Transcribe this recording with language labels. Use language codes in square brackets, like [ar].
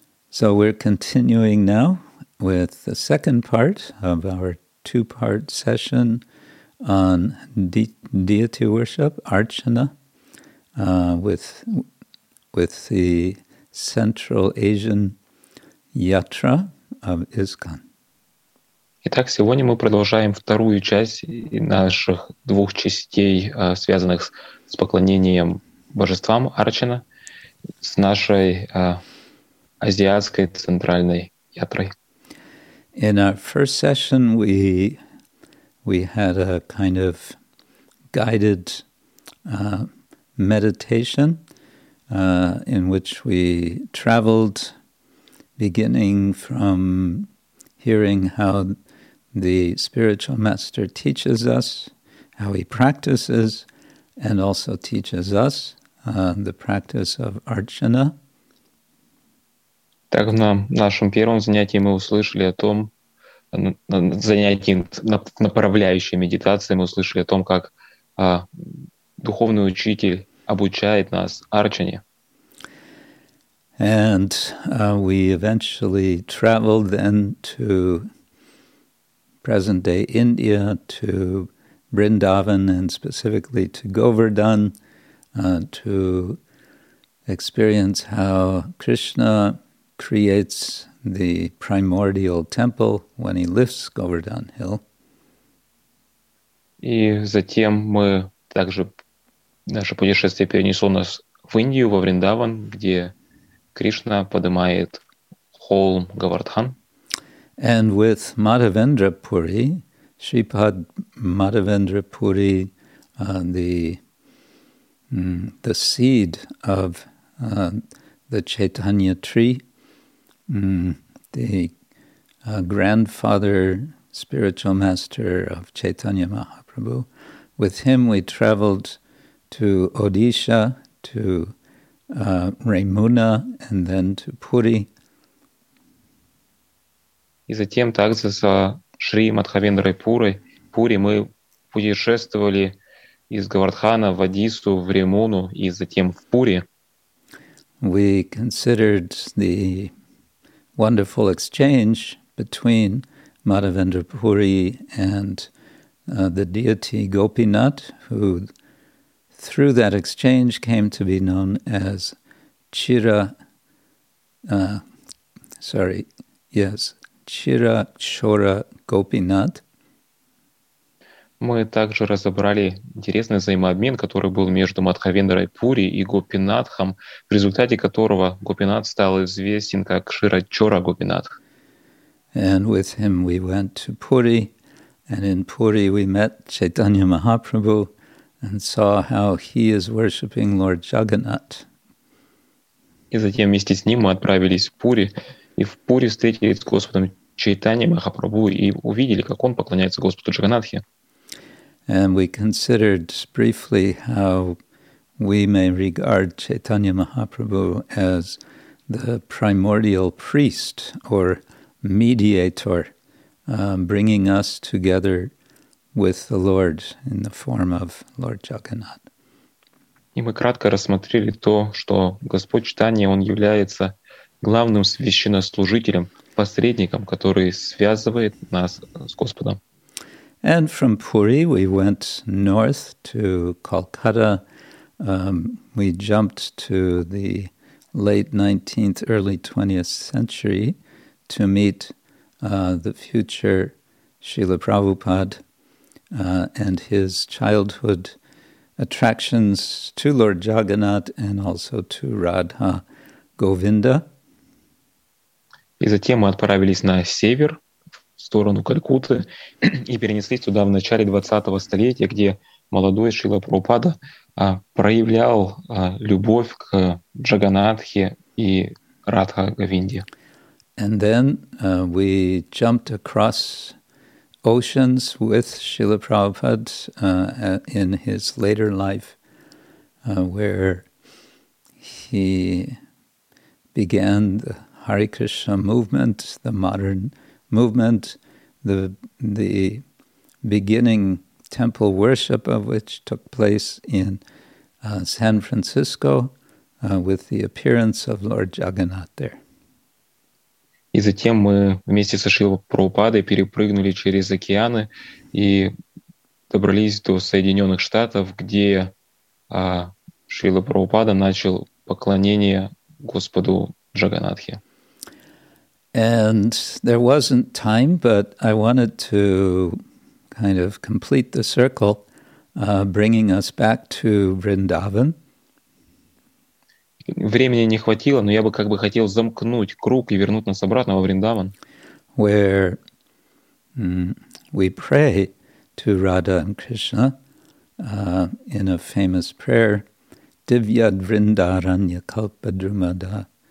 [en] So we're continuing now with the second part of our two-part session on deity worship, archana, with the Central Asian Yatra of ISKCON. [ru] Итак, сегодня мы продолжаем вторую часть наших двух частей, связанных с поклонением божествам Арчана, с нашей азиатской центральной ятрой. [en] In our first session we had a kind of guided meditation in which we traveled beginning from hearing how the spiritual master teaches us, how he practices, and also teaches us the practice of archana. [ru] Так, на нашем первом занятии мы услышали о том, занятии, направляющей медитации, мы услышали о том, как духовный учитель обучает нас арчане. [en] And we eventually traveled then to present-day India, to Vrindavan, and specifically to Govardhan, to experience how Krishna creates the primordial temple when he lifts Govardhan Hill. [ru] И затем мы также, наше путешествие перенесло нас в Индию, во Вриндаван, где Кришна поднимает холм Говардхан. [en] And with Madhavendra Puri, Shripad Madhavendra Puri, the seed of the Chaitanya tree, the grandfather spiritual master of Chaitanya Mahaprabhu, with him we traveled to Odisha, to Raimuna, and then to Puri. [ru] И затем также со Шри Мадхавендрой Пури мы путешествовали из Говардхана в Одиссу, в Римуну и затем в Пури. [en] We considered the wonderful exchange between Madhavendra Puri and the deity Gopinath, who through that exchange came to be known as Chira Chora Gopinath. [ru] Мы также разобрали интересный взаимообмен, который был между Мадхавендрой Пури и Гопинатхом, в результате которого Гопинат стал известен как Шира Чора Гопинатх. [en] And with him we went to Puri, and in Puri we met Chaitanya Mahaprabhu and saw how he is worshipping Lord Jagannath. [ru] И затем вместе с ним мы отправились в Пури, и в Пури встретились с Господом Чайтанья Махапрабху и увидели, как он поклоняется Господу Джаганнатхе. [en] And we considered briefly how we may regard Chaitanya Mahaprabhu as the primordial priest or mediator, bringing us together with the Lord in the form of Lord Jagannath. [ru] И мы кратко рассмотрели то, что Господь Чайтанья, он является главным священнослужителем, посредником, который связывает нас с Господом. [en] And from Puri, we went north to Kolkata. We jumped to the late 19th, early 20th century to meet the future Srila Prabhupada and his childhood attractions to Lord Jagannath and also to Radha Govinda. [ru] И затем мы отправились на север, в сторону Калькутты, и перенеслись туда в начале 20-го столетия, где молодой Шрила Прабхупада проявлял любовь к Джаганнатхе и Радха Говинде. [en] And then we jumped across oceans with Srila Prabhupada in his later life, where he began the Hare Krishna movement, the modern movement, the beginning temple worship of which took place in San Francisco with the appearance of Lord Jagannath there. [ru] И затем мы вместе со Шрилой Прабхупадой перепрыгнули через океаны и добрались до Соединенных Штатов, где Шрила Прабхупада начал поклонение Господу Джаганнатхе. [en] And there wasn't time, but I wanted to kind of complete the circle, bringing us back to Vrindavan. [ru] Времени не хватило, но я бы как бы хотел замкнуть круг и вернуть нас обратно во Вриндаван. [en] Where we pray to Radha and Krishna in a famous prayer, Divyad Vrindaranya Kalpadrumada.